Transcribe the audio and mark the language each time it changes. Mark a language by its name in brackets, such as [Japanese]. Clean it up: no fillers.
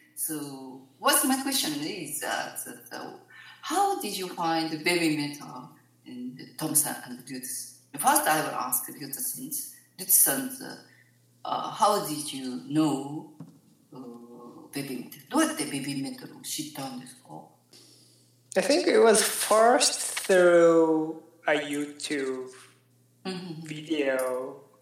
[English] So what's my question is, how did you find Baby Metal and Tom-san and Ryuta-san? First, I will ask Ryuta-san, how did you know Baby Metal? [Japanese] どうやってベビーメタルを知ったんですか? [English] I think it was first through a YouTube video.